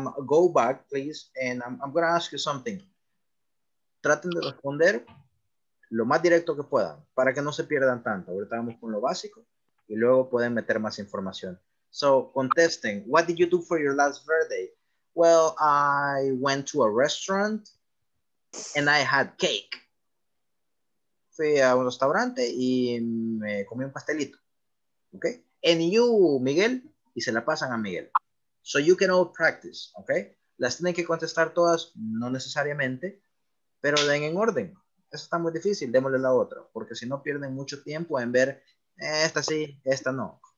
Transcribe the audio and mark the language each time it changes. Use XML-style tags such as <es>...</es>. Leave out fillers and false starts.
<en>Go back, please, and I'm going to ask you something.</en> <es>Traten de responder lo más directo que puedan para que no se pierdan tanto. Ahorita vamos con lo básico y luego pueden meter más información. So, contesten.</es> <en>What did you do for your last birthday? Well, I went to a restaurant and I had cake.</en> <es>Fui a un restaurante y me comí un pastelito. Okay?</es> <en>And you, Miguel,</en> <es>y se la pasan a Miguel.</es> <en>So you can all practice, okay?</en> <es>Las tienen que contestar todas, no necesariamente, pero den en orden. Eso está muy difícil, démosle la otra, porque si no pierden mucho tiempo en ver esta sí, esta no.</es>